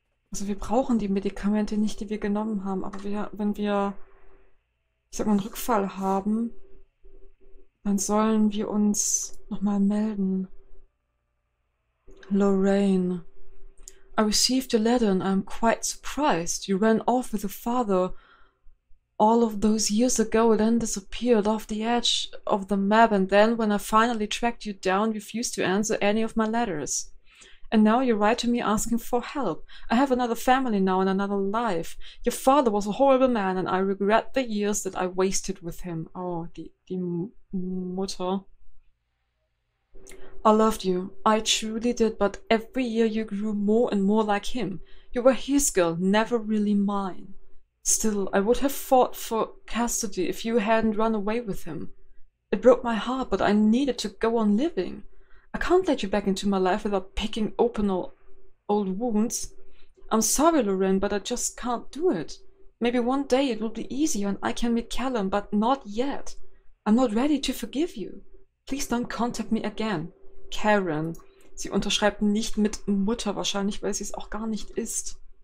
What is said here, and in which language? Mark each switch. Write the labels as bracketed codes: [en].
[de] Also wir brauchen die Medikamente nicht, die wir genommen haben, aber wenn wir, ich sag mal, einen Rückfall haben, dann sollen wir uns nochmal melden. [en] Lorraine. I received your letter and I'm quite surprised. You ran off with your father all of those years ago, then disappeared off the edge of the map, and then when I finally tracked you down, refused to answer any of my letters. And now you write to me asking for help. I have another family now and another life. Your father was a horrible man and I regret the years that I wasted with him. [de] Oh, die Mutter. [en] I loved you. I truly did, but every year you grew more and more like him. You were his girl, never really mine. Still, I would have fought for Cassidy if you hadn't run away with him. It broke my heart, but I needed to go on living. I can't let you back into my life without picking open old wounds. I'm sorry, Lorraine, but I just can't do it. Maybe one day it will be easier and I can meet Callum, but not yet. I'm not ready to forgive you. Please don't contact me again. Karen. [de] Sie unterschreibt nicht mit Mutter wahrscheinlich, weil sie es auch gar nicht ist.